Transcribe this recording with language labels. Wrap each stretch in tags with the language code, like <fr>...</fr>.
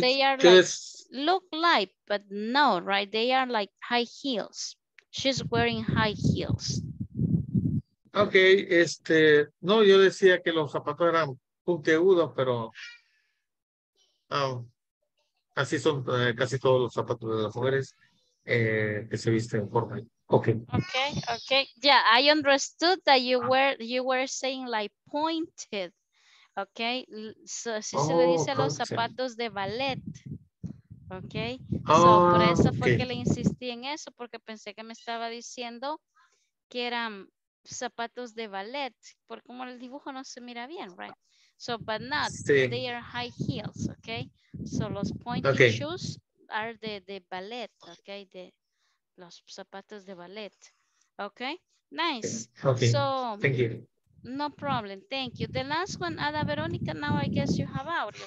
<en>They are just, like, look like, but no, right? They are like high heels. She's wearing high heels.</en> <es>Okay, no, yo decía que los zapatos eran puntiagudos, pero así son casi todos los zapatos de las mujeres que se visten en forma.</es> <en>Okay. Okay. Okay. Yeah, I understood that you were saying like pointed.</en> <es>Okay, so si se le dice los zapatos de ballet, okay, por eso fue que le insistí en eso, porque pensé que me estaba diciendo que eran zapatos de ballet, porque como el dibujo no se mira bien,</es> <en>right? So, but not, they are high heels, okay?</en> <es>So los</es> <en>pointy shoes are</en> <es>de ballet, okay, de los zapatos de ballet, okay?</es> <en>Nice. Okay, so, thank you. No problem, thank you. The last one, Ada Veronica, now I guess you have audio.</en>